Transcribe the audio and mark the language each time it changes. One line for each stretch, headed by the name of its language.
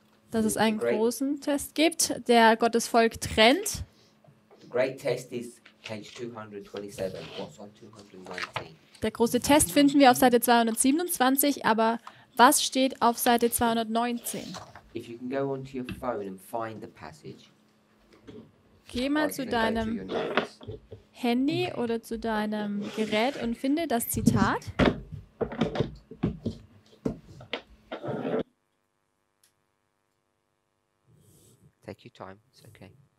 German: Dass es einen großen Test gibt, der Gottes Volk trennt.
English: The great test is page 227. What's on 219?
German: Der große Test finden wir auf Seite 227, aber was steht auf Seite 219?
English: If you can go onto your phone and find the passage,
German: geh mal zu deinem Handy oder zu deinem Gerät und finde das Zitat.
English: Take your time, it's okay.